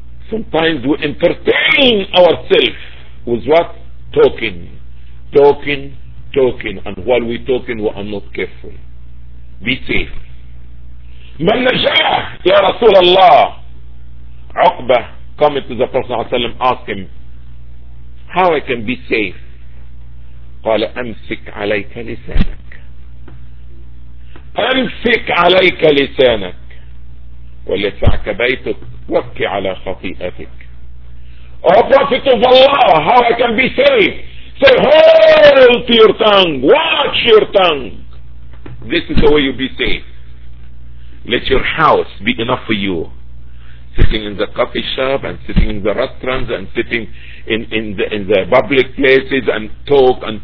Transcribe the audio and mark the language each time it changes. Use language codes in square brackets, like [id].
[en] Sometimes we entertain ourselves with what? Talking. And while we're talking, we are not careful. Be safe. [ar] مَنْ نَجَاهُ يَا رَسُولَ اللَّهِ عُقْبَةُ [en] coming to the Prophet ﷺ, ask him, how I can be safe? [ar] قَالَ أَمْسِكْ عَلَيْكَ لِسَانَكَ أمسك عليك لسانك وليدفعك بيتك وك على خطيئتك. [en] Oh Prophet of Allah, how I can be safe? Say, hold to your tongue, watch your tongue. This is the way you be safe. Let your house be enough for you. Sitting in the coffee shop and sitting in the restaurants and sitting in the public places and talk.